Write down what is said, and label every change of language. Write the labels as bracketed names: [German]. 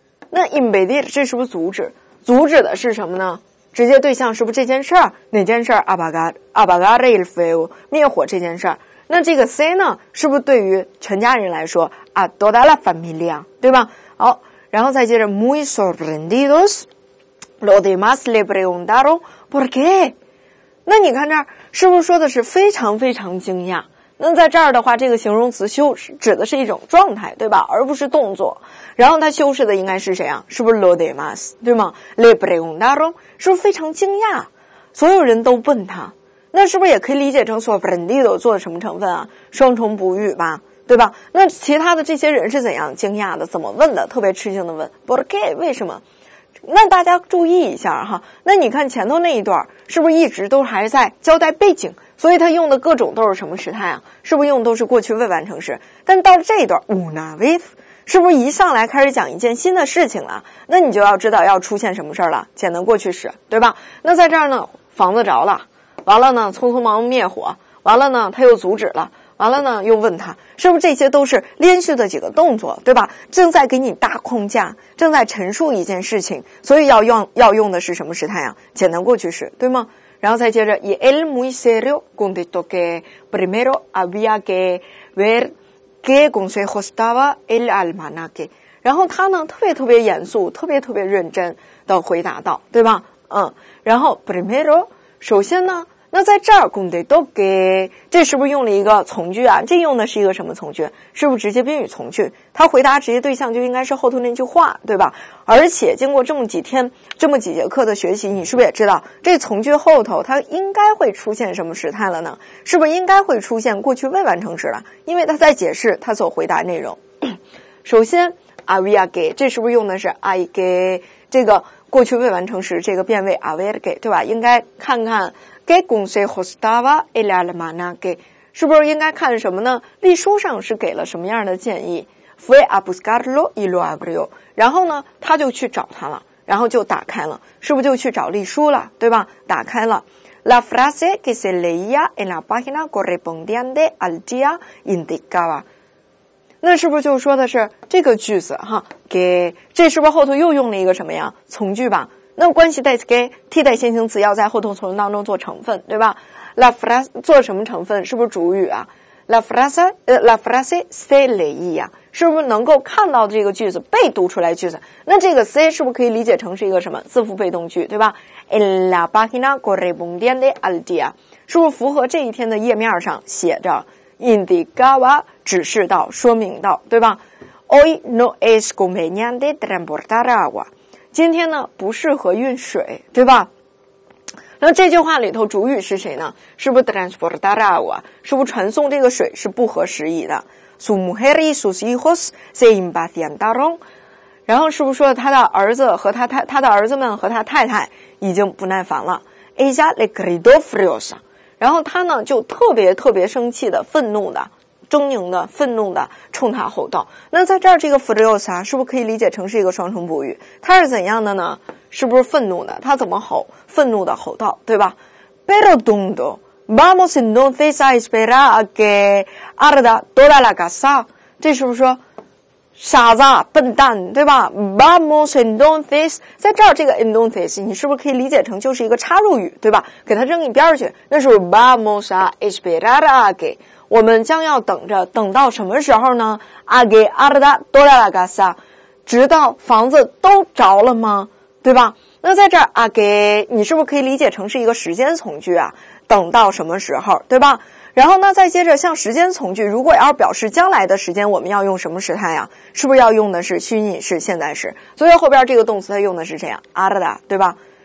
[Chinese] 那 impedir 这是不是阻止？阻止的是什么呢？直接对象是不是这件事儿？哪件事儿 ？ [Spanish] apagar el fuego， [Chinese] 灭火这件事儿。那这个 se 呢，是不是对于全家人来说 ？ [Spanish] A toda la familia， [Chinese] 对吧？好，然后再接着 [Spanish] muy sorprendidos。 Los demás le preguntaron por qué。 [Chinese] 那你看这儿是不是说的是非常非常惊讶？那在这儿的话，这个形容词修指的是一种状态，对吧？而不是动作。然后它修饰的应该是谁啊？是不是 [Spanish] los demás， [Chinese] 对吗 ？ [Spanish] Le preguntaron， [Chinese] 是不是非常惊讶？所有人都问他，那是不是也可以理解成 sorprendido 做的什么成分啊？双重补语吧。对吧？那其他的这些人是怎样惊讶的？怎么问的？特别吃惊的问 ， [Spanish] por qué？ [Chinese] 为什么？那大家注意一下哈，那你看前头那一段是不是一直都还在交代背景？所以他用的各种都是什么时态啊？是不是用的都是过去未完成时？但到了这一段 [Spanish] una vez， [Chinese] 是不是一上来开始讲一件新的事情了？那你就要知道要出现什么事儿了，简单过去时，对吧？那在这儿呢，房子着了，完了呢，匆匆忙忙灭火，完了呢，他又阻止了。完了呢，又问他，是不是这些都是连续的几个动作，对吧？正在给你搭框架，正在陈述一件事情，所以要用的是什么时态啊？简单过去式，对吗？然后再接着 [Spanish] ，y él muy serio contestó que primero había que ver qué consejo estaba el almanaque。 [Chinese] 然后他呢，特别特别严肃，特别特别认真的回答道，对吧？嗯，然后 primero， 首先呢。那在这儿 [Spanish] contestó que， [Chinese] 这是不是用了一个从句啊？这用的是一个什么从句？是不是直接宾语从句？他回答直接对象就应该是后头那句话，对吧？而且经过这么几天这么几节课的学习，你是不是也知道这从句后头它应该会出现什么时态了呢？是不是应该会出现过去未完成时了？因为他在解释他所回答内容。首先 [Spanish] había que， [Chinese] 这是不是用的是 [Spanish] hay que， [Chinese] 这个过去未完成时这个变位 [Spanish] haber que， [Chinese] 对吧？应该看看给公司和 Stava 伊拉勒玛纳给，是不是应该看什么呢？历书上是给了什么样的建议 ？ [Spanish] Fue a buscarlo y lo abrió， [Chinese] 然后呢，他就去找他了，然后就打开了，是不是就去找历书了，对吧？打开了 [Spanish] ，la frase que se leía en la página correspondiente al día indicaba， [Chinese] 那是不是就说的是这个句子哈？给，这是不是后头又用了一个什么呀？从句吧。那关系 des que 替代先行词要在后头从句当中做成分，对吧 ？ [Spanish] La frase [Chinese] 做什么成分？是不是主语啊 ？ [Spanish] La frase se leía [Chinese] 是不是能够看到这个句子被读出来句子？那这个 se 是不是可以理解成是一个什么字符被动句，对吧 ？ [Spanish] En la página correspondiente al día [Chinese] 是不是符合这一天的页面上写着 indicaba 指示到说明到，对吧 ？ [Spanish] Hoy no es conveniente transportar agua。 [Chinese] 今天呢不适合运水，对吧？那这句话里头主语是谁呢？是不是 [Spanish] transportar agua？ [Chinese] 是不是传送这个水是不合时宜的？ [Spanish] su mujer y sus hijos se impacientaron. [Chinese] 然后是不是说他的儿子和他的儿子们和他太太已经不耐烦了 [Spanish] ella le gritó furiosa. [Chinese] 然后他呢就特别特别生气的愤怒的狰狞的愤怒的冲他吼道。那在这儿这个 furiosa 是不是可以理解成是一个双重补语，他是怎样的呢，是不是愤怒的，他怎么吼，愤怒的吼道，对吧？ [Spanish] Pero dondo, vamos entonces a esperar a que arda toda la casa. [Chinese] 这是不是说傻子笨蛋，对吧？ [Spanish] Vamos entonces, [Chinese] 在这儿这个 entonces, 你是不是可以理解成就是一个插入语，对吧？给它扔一边去，那是 [Spanish] vamos a esperar a que, [Chinese] 我们将要等着，等到什么时候呢？ [Spanish] A que arda toda la casa, [Chinese] 直到房子都着了吗？对吧？那在这儿啊给你是不是可以理解成是一个时间从句啊，等到什么时候，对吧？然后呢再接着像时间从句，如果要表示将来的时间，我们要用什么时态啊，是不是要用的是虚拟式现在时，所以后边这个动词它用的是这样 arda, 对吧？